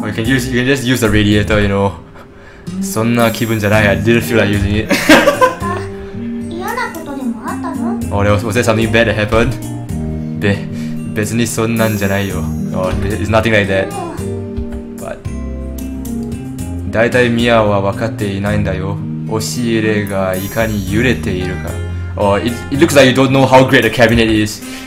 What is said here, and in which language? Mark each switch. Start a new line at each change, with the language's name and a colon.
English: You can just use the radiator, you know.
Japanese: そんな気分じゃない。
English: I didn't feel like using it.
Japanese: 嫌なことでもあったの?
English: Was there something bad that happened?
Japanese: 別にそんなんじゃないよ。
English: It's nothing like that. But...
Japanese: 大体ミアは分かっていないんだよ。押し入れがいかに揺れているか。
English: It looks like you don't know how great the cabinet is.